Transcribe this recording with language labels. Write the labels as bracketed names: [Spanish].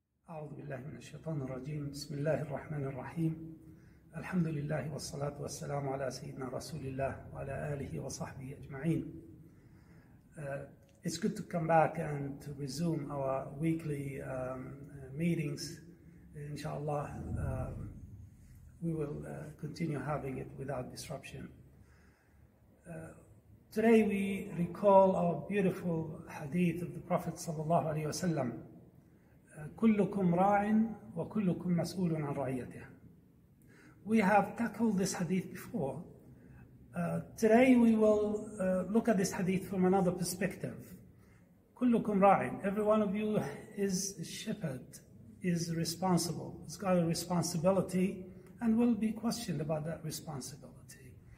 [Arabic] أعوذ بالله من الشيطان الرجيم بسم الله الرحمن الرحيم الحمد لله والصلاة والسلام على سيدنا رسول الله وعلى آله وصحبه أجمعين. [English] It's good to come back and to resume our weekly meetings. Inshallah, we will continue having it without disruption. Today we recall our beautiful hadith of the Prophet sallallahu alaihi wasallam. [Arabic] كلكم راع وكلكم مسؤول عن رعيته. [English] We have tackled this hadith before. Today we will look at this hadith from another perspective. [Arabic] كلكم راع. [English] Every one of you is a shepherd, is responsible. It's got a responsibility and will be questioned about that responsibility.